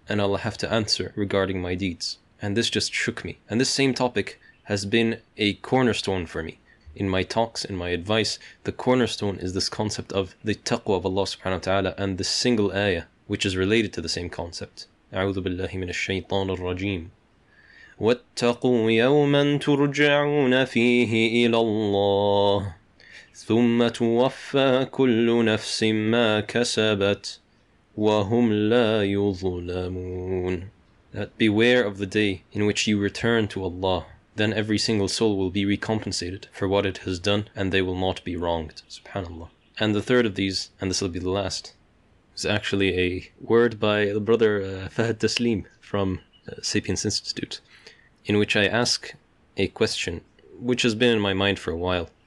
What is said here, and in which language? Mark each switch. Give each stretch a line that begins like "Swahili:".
English: And I'll have to answer regarding my deeds. And this just shook me. And this same topic has been a cornerstone for me. In my talks, in my advice, the cornerstone is this concept of the taqwa of Allah subhanahu wa ta'ala and the single ayah, which is related to the same concept.
Arabic: أعوذ بالله من الشيطان الرجيم واتقوا يوما ترجعون فيه إلى الله ثم توفى كل نفس ما كسبت وهم لا يظلمون.
English: That beware of the day in which you return to Allah, then every single soul will be recompensated for what it has done and they will not be wronged. SubhanAllah. And the third of these, and this will be the last, is actually a word by the brother Fahad Taslim from Sapience Institute, in which I ask a question which has been in my mind for a while.